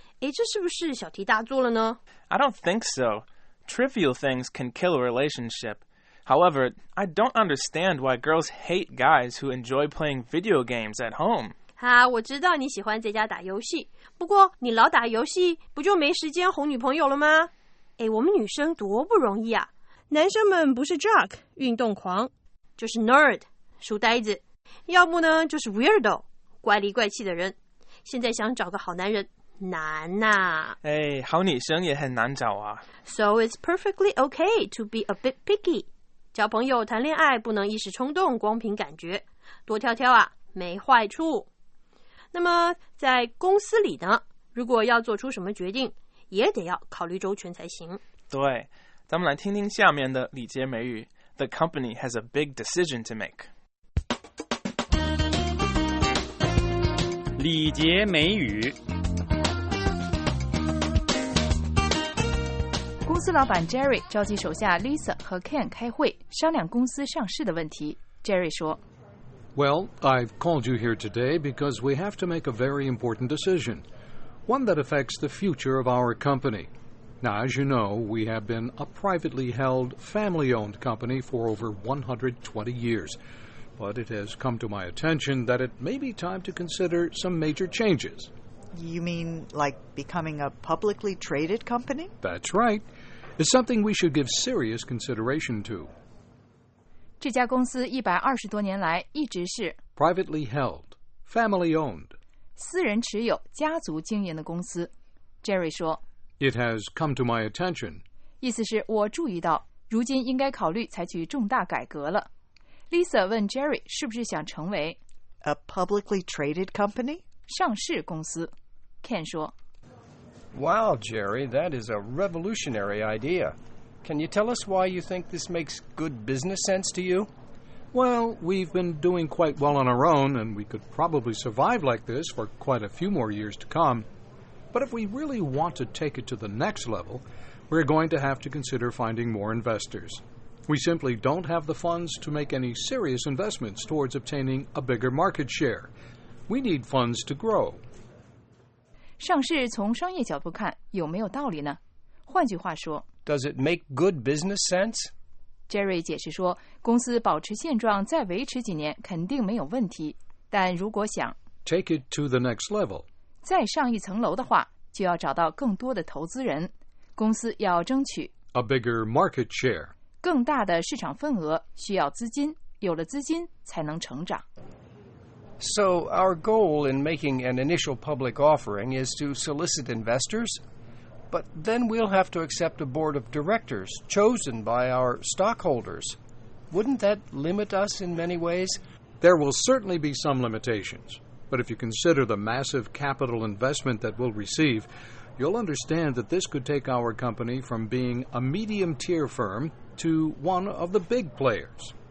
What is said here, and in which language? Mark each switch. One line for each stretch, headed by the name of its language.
Chinese: 这是不是小题大做了呢
English: I don't think so. Trivial things can kill a relationship. However, I don't understand why girls hate guys who enjoy playing video games at home.
Chinese: 我知道你喜欢在家打游戏，不过你老打游戏，不就没时间哄女朋友了吗？我们女生多不容易啊！男生们不是 jock 运动狂，就是 nerd 书呆子，要不呢就是 weirdo 怪里怪气的人。现在想找个好男人难呐！好女生也很难找啊。
English: So it's perfectly okay to be a bit picky.
Chinese: 交朋友谈恋爱不能一时冲动，光凭感觉，多挑挑啊，没坏处。那么在公司里呢，如果要做出什么决定，也得要考虑周全才行。对，咱们来听听下面的礼节美语。
English: The company has a big decision to make.
Chinese: 礼节美语。公司老板 Jerry 召集手下 Lisa 和 Ken 开会，商量公司上市的问题。Jerry 说，
English: Well, I've called you here today because we have to make a very important decision, one that affects the future of our company. Now, as you know, we have been a privately held, family-owned company for over 120 years, but it has come to my attention that it may be time to consider some major changes. You mean, like, becoming a publicly traded company? That's right. It's something we should give serious consideration to.
Chinese: 这家公司120多年来一直是
English: privately held, family owned,
Chinese: 私人持有家族经营的公司。 Jerry 说，
English: It has come to my attention.
Chinese: 意思是我注意到如今应该考虑采取重大改革了。 Lisa 问 Jerry 是不是想成为
English: a publicly traded company?
Chinese: 上市公司。Ken 说，
English: Wow, Jerry, that is a revolutionary idea. Can you tell us why you think this makes good business sense to you? Well, we've been doing quite well on our own, and we could probably survive like this for quite a few more years to come. But if we really want to take it to the next level, we're going to have to consider finding more investors. We simply don't have the funds to make any serious investments towards obtaining a bigger market share. We need funds to grow.
Chinese: 上市从商业角度看，有没有道理呢？换句话说，
English: Does it make good business sense?
Chinese: Jerry 解释说，公司保持现状再维持几年肯定没有问题，但如果想
English: take it to the next level,
Chinese: 再上一层楼的话，就要找到更多的投资人，公司要争取
English: a bigger market share,
Chinese: 更大的市场份额需要资金。有了资金才能成长。
English: So our goal in making an initial public offering is to solicit investors, but then we'll have to accept a board of directors chosen by our stockholders. Wouldn't that limit us in many ways? There will certainly be some limitations, but if you consider the massive capital investment that we'll receive, you'll understand that this could take our company from being a medium-tier firm to one of the big players.